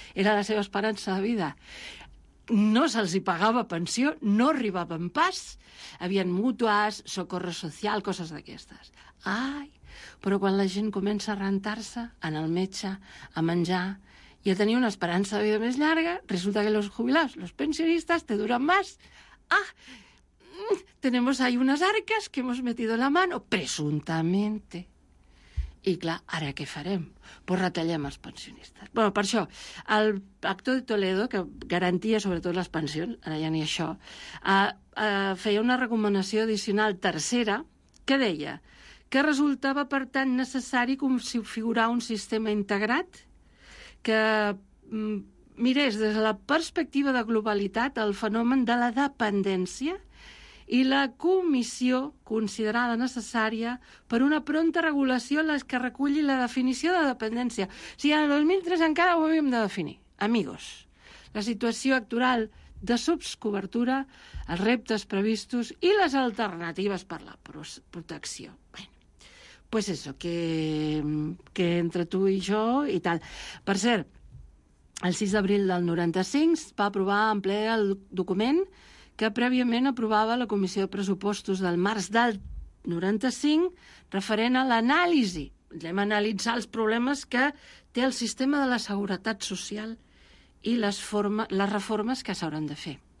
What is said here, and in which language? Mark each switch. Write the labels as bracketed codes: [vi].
[ca] Era la seva esperança de vida. No se'ls hi pagava pensió, no arribaven pas. Havien mútues, socorro social, coses d'aquestes. Ai, però quan la gent comença a rentar-se, anar al metge, a menjar i a tenir una esperança de vida més llarga, resulta que [es] los jubilados, los pensionistas, te duran más. Ah, tenemos ahí unas arcas que hemos metido la mano, presuntamente. [ca] I, clar, ara què farem? Pues retallem els pensionistes. Bueno, per això, el Pacto de Toledo, que garantia sobretot les pensions, ara ja ni això, feia una recomanació addicional tercera que deia que resultava, per tant, necessari configurar un sistema integrat que mirés des de la perspectiva de globalitat el fenomen de la dependència i la comissió considerada necessària per una pronta regulació en les que reculli la definició de dependència. O sigui, el 2003 encara ho havíem de definir. Amigos, la situació actual de subscobertura, els reptes previstos i les alternatives per la protecció. [es] Bueno, pues eso, que [ca] entre tu i jo i tal. Per cert, el 6 d'abril del 95 es va aprovar en ple el document que prèviament aprovava la Comissió de Pressupostos del març del 95 referent a l'anàlisi. Vam analitzar els problemes que té el sistema de la seguretat social i les reformes que s'hauran de fer.